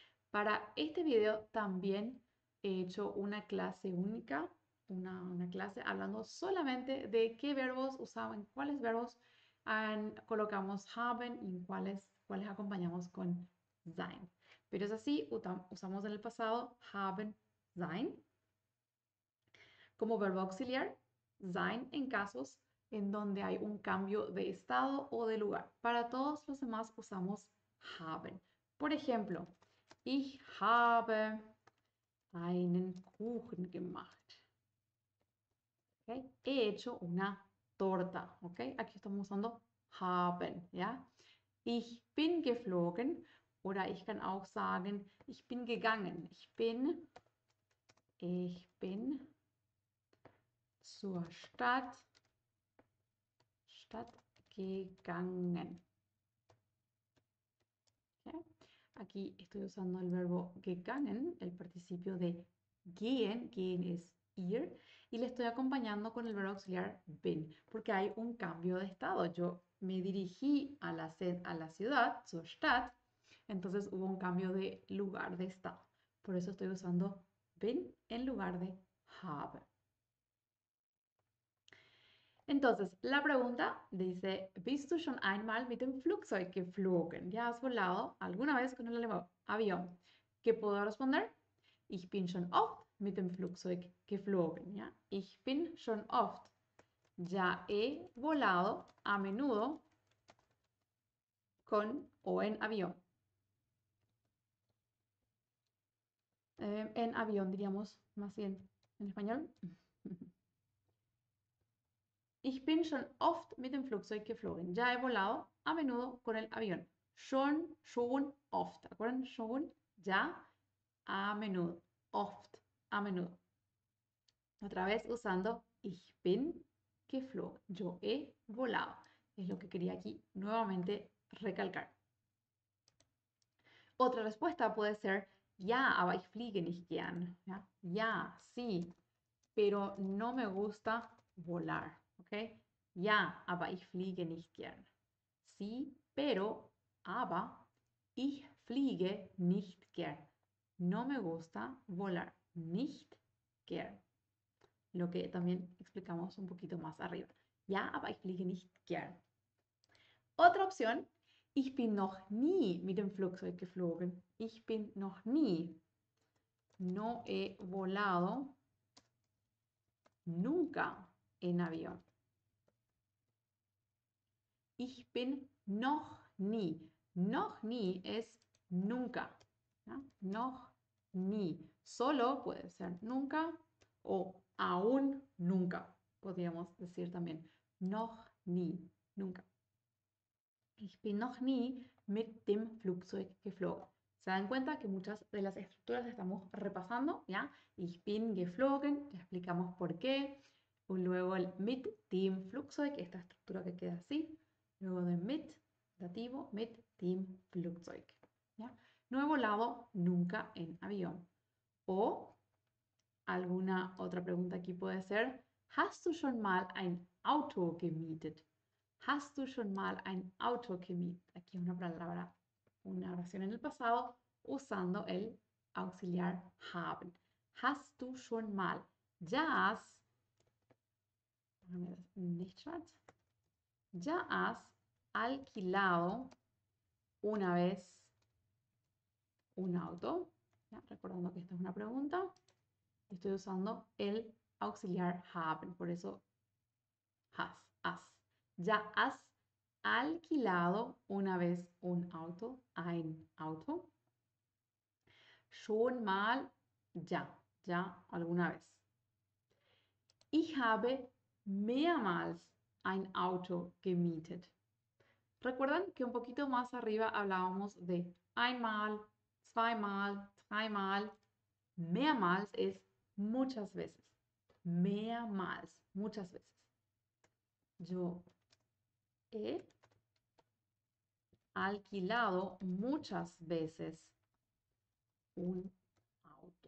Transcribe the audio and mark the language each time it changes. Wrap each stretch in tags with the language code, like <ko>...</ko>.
<es>Para este video también he hecho una clase única, una clase hablando solamente de qué verbos usaban, cuáles verbos colocamos haben y cuáles acompañamos con sein. Pero es así, usamos en el pasado haben, sein como verbo auxiliar, sein en casos en donde hay un cambio de estado o de lugar. Para todos los demás usamos haben. Por ejemplo,</es> <de>ich habe einen Kuchen gemacht.</de> <es>¿Okay? He hecho una torta. ¿Okay? Aquí estamos usando haben. ¿Ya?</es> <de>Ich bin geflogen. Oder ich kann auch sagen, ich bin gegangen. Ich bin zur Stadt gegangen.</de> <es>Aquí estoy usando el verbo gegangen, el participio de gehen. Gehen es ir. Y le estoy acompañando con el verbo auxiliar bin, porque hay un cambio de estado. Yo me dirigí a la ciudad, zur Stadt. Entonces hubo un cambio de lugar de estado. Por eso estoy usando bin en lugar de habe. Entonces, la pregunta dice,</es> <de>¿Bist du schon einmal mit dem Flugzeug geflogen?</de> <es>¿Ya has volado alguna vez con el avión? ¿Qué puedo responder?</es> <de>Ich bin schon oft mit dem Flugzeug geflogen. ¿Ya? Ich bin schon oft.</de> <es>Ya he volado a menudo con o en avión. En avión, diríamos más bien en español.</es> <de>Ich bin schon oft mit dem Flugzeug geflogen.</de> <es>Ya he volado a menudo con el avión.</es> <de>Schon oft.</de> <es>¿Te acuerdan? Schon, ya, a menudo. Oft, a menudo. Otra vez usando</es> <de>ich bin geflogen.</de> <es>Yo he volado. Es lo que quería aquí nuevamente recalcar. Otra respuesta puede ser ya,</es> <de>aber ich fliege nicht gern.</de> <es>¿Ya? Ya, sí, pero no me gusta volar. Okay.</es> <de>Ja, aber ich fliege nicht gern.</de> <es>Sí, pero,</es> <de>aber, ich fliege nicht gern.</de> <es>No me gusta volar.</es> <de>Nicht gern.</de> <es>Lo que también explicamos un poquito más arriba.</es> <de>Ja, aber ich fliege nicht gern.</de> <es>Otra opción.</es> <de>Ich bin noch nie mit dem Flugzeug geflogen. Ich bin noch nie.</de> <es>No he volado nunca en avión.</es> <de>Ich bin noch nie. Noch nie</de> <es>es nunca. ¿No?</es> <de>Noch nie.</de> <es>Solo puede ser nunca o aún nunca. Podríamos decir también noch nie. Nunca.</es> <de>Ich bin noch nie mit dem Flugzeug geflogen.</de> <es>Se dan cuenta que muchas de las estructuras las estamos repasando, ¿ya?</es> <de>Ich bin geflogen.</de> <es>Ya explicamos por qué. Y luego el</es> <de>mit dem Flugzeug,</de> <es>esta estructura que queda así. Luego de mit, dativo, mit dem Flugzeug. ¿Ya? No he volado nunca en avión. O alguna otra pregunta aquí puede ser,</es> <de>¿Hast du schon mal ein Auto gemietet? ¿Hast du schon mal ein Auto gemietet?</de> <es>Aquí una palabra, una oración en el pasado usando el auxiliar haben. ¿Hast du schon mal? Jazz. Nichtrat. Ya has alquilado una vez un auto. ¿Ya? Recordando que esta es una pregunta. Estoy usando el auxiliar have, por eso has. Ya has alquilado una vez un auto, ein auto. Schon mal, ya, alguna vez.</es> <de>Ich habe mehrmals ein Auto gemietet.</de> <es>¿Recuerdan que un poquito más arriba hablábamos de einmal, zweimal, dreimal? Mehrmals es muchas veces. Mehrmals, muchas veces. Yo he alquilado muchas veces un auto.</es>